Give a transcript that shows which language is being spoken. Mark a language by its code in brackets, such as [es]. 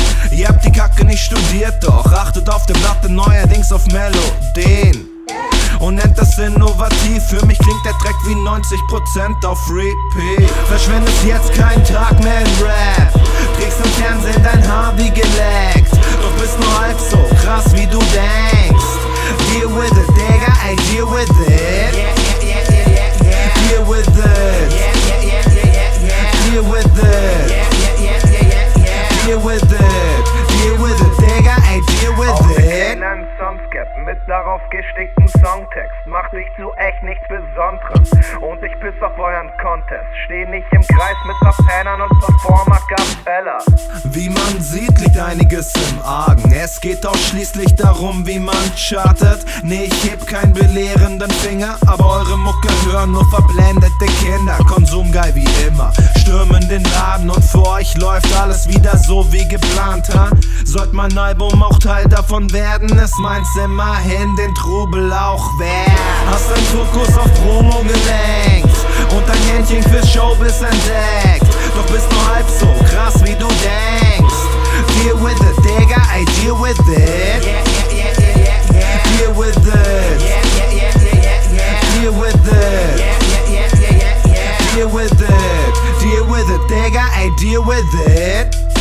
[de] Ihr habt die Kacke nicht studiert, doch achtet auf dem Blatt, neuerdings auf Melodien. Und nennt das innovativ, für mich klingt der Dreck wie 90% auf Repeat. Verschwendest jetzt keinen Tag mehr in Rap, trägst im Fernsehen dein Haar wie geleckt. Doch bist nur halb so krass, wie du denkst. [en] Deal with it, Digga, ey, deal with it. Yeah, yeah, yeah, yeah, yeah. Deal with it. Yeah, yeah, yeah, yeah, yeah. Deal with it. Yeah, yeah, yeah, yeah, yeah. Deal with it. Deal with it, Digga, ey, deal with it. [de] Mit darauf gestickten Songtext, mach dich zu echt nichts Besonderes. Und ich piss auf euren Contest, steh nicht im Kreis mit Verpennern und Performer Capella. Wie man sieht, liegt einiges im Argen. Es geht doch schließlich darum, wie man chartet. Nee, ich heb keinen belehrenden Finger, aber eure Mucke hören nur verblendete Kinder. Konsumgeil wie immer, stürmen den Laden und vor euch läuft alles wieder so wie geplant, ha? Sollt mein Album auch Teil davon werden, ist meins immerhin den Trubel auch wert. Hast dein Fokus auf Promo gelenkt und dein Händchen fürs Showbiz entdeckt. Doch bist nur halb so krass, wie du denkst. [en] Deal with it, Digga, ey, deal with it. Yeah, yeah, yeah, yeah, yeah, yeah. Deal with it. Yeah, yeah, yeah, yeah, yeah, yeah. Deal with it. Yeah, yeah, yeah, yeah, yeah, yeah. Deal with it. Deal with it, Digga, ey, deal with it.